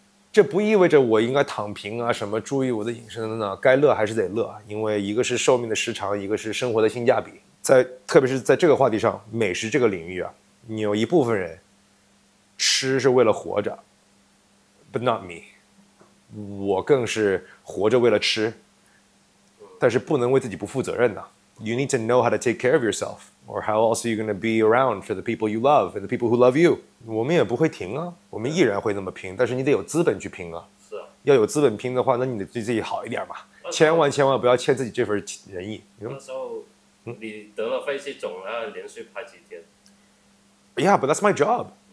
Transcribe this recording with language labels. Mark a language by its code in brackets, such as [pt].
[zh] 这不意味着我应该躺平啊，什么注意我的饮食等等，该乐还是得乐，因为一个是寿命的时长，一个是生活的性价比。在特别是在这个话题上，美食这个领域啊，你有一部分人吃是为了活着 ， [en] but not me， [zh] 我更是活着为了吃，但是不能为自己不负责任呐。 [en] You need to know how to take care of yourself, or how else are you going to be around for the people you love and the people who love you? [zh] 我们也不会停啊，我们依然会那么拼，但是你得有资本去拼啊。是啊，要有资本拼的话，那你得对自己好一点嘛，千万千万不要欠自己这份仁义。那时候，你得了肺气肿，然后连续拍几天。 [en] Yeah, but that's my job.